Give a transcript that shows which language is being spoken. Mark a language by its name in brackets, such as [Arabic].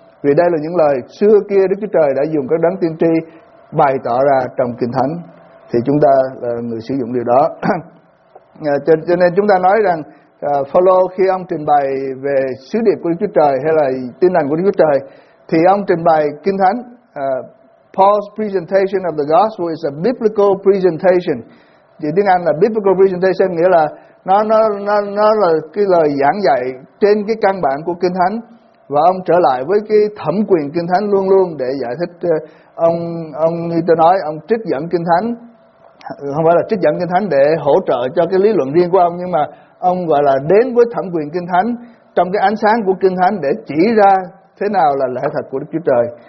[Vietnamese] Vì đây là những lời xưa kia Đức Chúa Trời đã dùng các đấng tiên tri bày tỏ ra trong Kinh Thánh, thì chúng ta là người sử dụng điều đó. Cho nên chúng ta nói rằng Phaolô khi ông trình bày về sứ điệp của Đức Chúa Trời hay là tin lành của Đức Chúa Trời, thì ông trình bày Kinh Thánh. [English] Paul's presentation of the gospel is a biblical presentation. [Vietnamese] Thì tiếng Anh là [English] biblical presentation, [Vietnamese] nghĩa là nó là cái lời giảng dạy trên cái căn bản của Kinh Thánh, và ông trở lại với cái thẩm quyền Kinh Thánh luôn luôn để giải thích. Ông như tôi nói, ông trích dẫn Kinh Thánh, không phải là trích dẫn Kinh Thánh để hỗ trợ cho cái lý luận riêng của ông, nhưng mà ông gọi là đến với thẩm quyền Kinh Thánh trong cái ánh sáng của Kinh Thánh để chỉ ra thế nào là lẽ thật của Đức Chúa Trời.